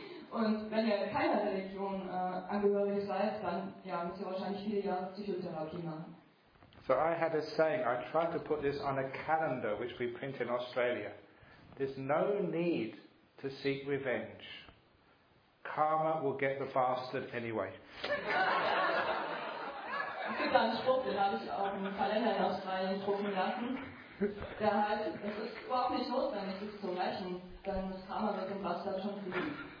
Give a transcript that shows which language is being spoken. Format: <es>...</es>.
<de>Und wenn ihr keiner Religion angehörig seid, dann ja, müsst ihr wahrscheinlich viele Jahre Psychotherapie machen.</de> <en>So I had a saying, I tried to put this on a calendar which we print in Australia. There's no need to seek revenge. Karma will get the bastard anyway.</en> <de>Es gibt einen Spruch, den habe ich auf dem Kalender in Australien drucken lassen. Der heißt, es ist überhaupt nicht notwendig, sich zu rächen, denn das Karma wird dem Bastard schon fliegen.</de>